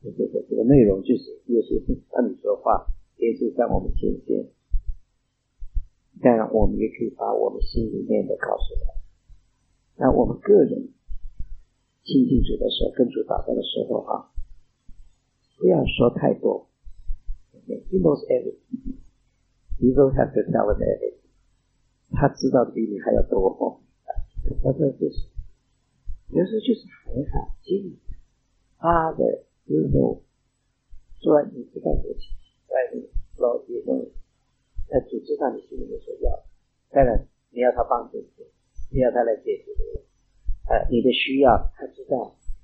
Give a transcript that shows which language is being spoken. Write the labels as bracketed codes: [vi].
[zh] 就是说，这个内容就是耶稣向你说话，耶稣向我们显现。当然，我们也可以把我们心里面的告诉他。那我们个人亲近主的时候，跟主祷告的时候啊，不要说太多。 [en] He knows everything. He don't have to tell us everything. [zh] 他知道的比你还要多。他说就是。有时候就是喊一喊，心里 [en] Father you know， [zh] 主啊你知道我心里面 [en] Lord you know， [zh] 那主知道你心里面所要的，当然你要他帮助你，你要他来解决你，你的需要他知道。